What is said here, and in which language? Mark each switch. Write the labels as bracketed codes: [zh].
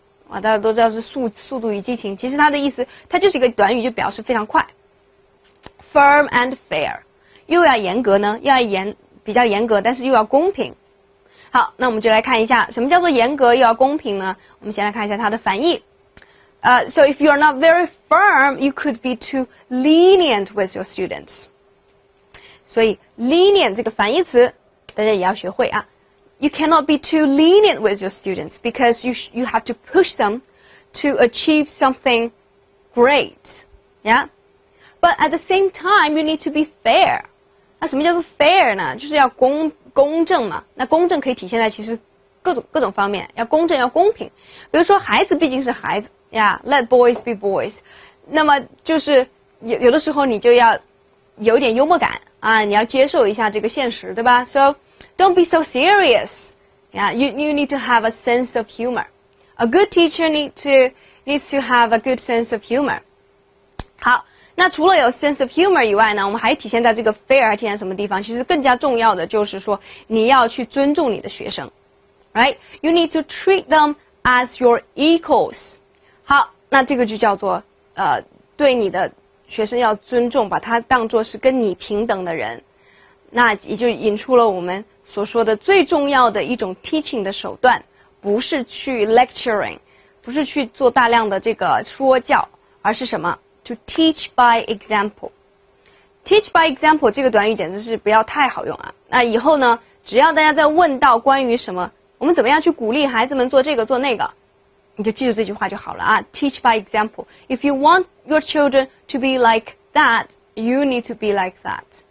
[zh] 啊，大家都知道是速度与激情，其实它的意思，它就是一个短语，就表示非常快。 [en] Firm and fair， [zh] 又要严格呢，又要比较严格，但是又要公平。好，那我们就来看一下什么叫做严格又要公平呢？我们先来看一下它的反义。 [en] So if you are not very firm, you could be too lenient with your students. [zh] 所以 lenient 这个反义词，大家也要学会啊。 [en] You cannot be too lenient with your students because you have to push them to achieve something great. Yeah? But at the same time, you need to be fair. [zh] 那什么叫做 fair 呢？就是要公正嘛。那公正可以体现在其实各种方面，要公正，要公平。比如说孩子毕竟是孩子 , [en] yeah, let boys be boys. [zh] 那么就是有的时候你就要有点幽默感啊，你要接受一下这个现实，对吧 ? [en] So,Don't be so serious. Yeah, you need to have a sense of humor. A good teacher needs to have a good sense of humor. [zh] 好，那除了有 [en] sense of humor [zh] 以外呢，我们还体现在这个 fair 体现在什么地方？其实更加重要的就是说，你要去尊重你的学生 ，right? [en] You need to treat them as your equals. [zh] 好，那这个就叫做对你的学生要尊重，把他当作是跟你平等的人。那也就引出了我们所说的最重要的一种 teaching 的手段，不是去 lecturing， 不是去做大量的这个说教，而是什么？ [en] To teach by example. Teach by example [zh] 这个短语简直是不要太好用啊！那以后呢，只要大家在问到关于什么，我们怎么样去鼓励孩子们做这个做那个，你就记住这句话就好了啊。 [en] Teach by example. If you want your children to be like that, you need to be like that.